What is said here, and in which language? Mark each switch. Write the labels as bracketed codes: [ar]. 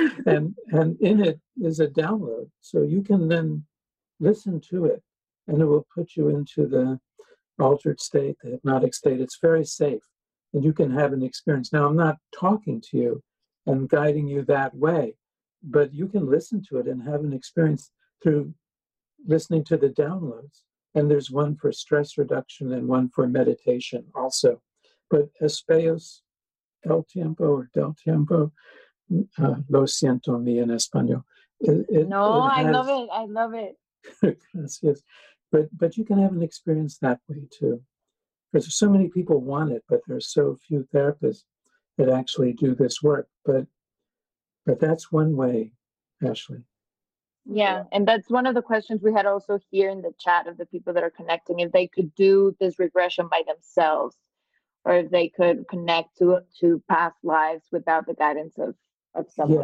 [en] And in it is a download. So you can then listen to it and it will put you into the altered state, the hypnotic state. It's very safe. and you can have an experience. Now, I'm not talking to you and guiding you that way, but you can listen to it and have an experience through listening to the downloads. And there's one for stress reduction and one for meditation also. But [es] Espejos del Tiempo or Del Tiempo, lo siento mi en español. [en] I love it. [es] Gracias. [en] But you can have an experience that way too. Because so many people want it, but there's so few therapists that actually do this work. But that's one way, Ashley. Yeah, and that's one of the questions we had also here in the chat of the people that are connecting, if they could do this regression by themselves, or if they could connect to past lives without the guidance of someone.